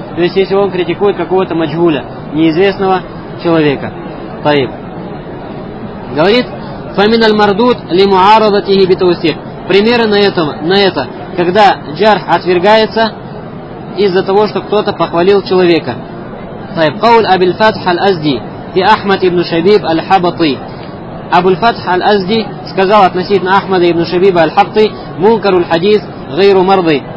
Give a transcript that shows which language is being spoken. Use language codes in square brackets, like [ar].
[ru] То есть если он критикует какого-то маджгуля, неизвестного человека. [ar] Таиб. [ru] Говорит, [ar] فَمِنَ الْمَرْدُودْ لِمُعَارَضَتِهِ بِتَوْسِيْهِ. [ru] Примеры на это, когда джарх отвергается из-за того, что кто-то похвалил человека. [ar] Таиб. قَوْلَ أَبِ الْفَتْحَ الْأَزْدِي فِي أَحْمَدْ إِبْنُ شَبِيبْ الْحَبَطِي. [ru] Абу аль-Фатх аль-Азди сказал относительно Ахмада ибн Шабиба аль-Хабти: [ar] мункару аль-хадис гайру марды.